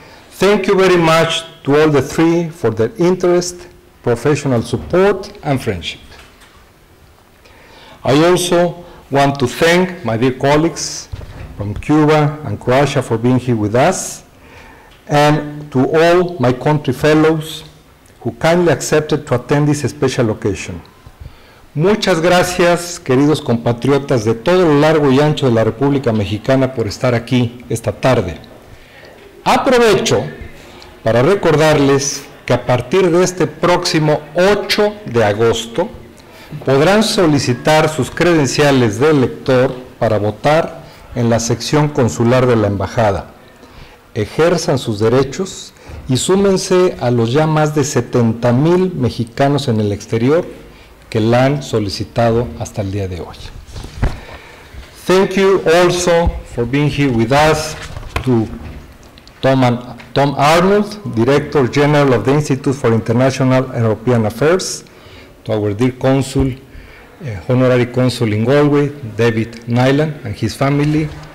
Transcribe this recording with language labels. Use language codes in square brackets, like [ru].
[en] Thank you very much to all the three for their interest, professional support, and friendship. I also want to thank my dear colleagues from Cuba and Croatia for being here with us, and to all my country fellows who kindly accepted to attend this special occasion. [es] Muchas gracias, queridos compatriotas de todo lo largo y ancho de la República Mexicana, por estar aquí esta tarde. Aprovecho para recordarles que a partir de este próximo 8 de agosto podrán solicitar sus credenciales de elector para votar en la sección consular de la embajada. Ejerzan sus derechos y súmense a los ya más de 70,000 mexicanos en el exterior que la han solicitado hasta el día de hoy. [en] Thank you also for being here with us to Tom Arnold, Director General of the Institute for International European Affairs, to our dear consul, Honorary Consul in Galway, David Nyland, and his family.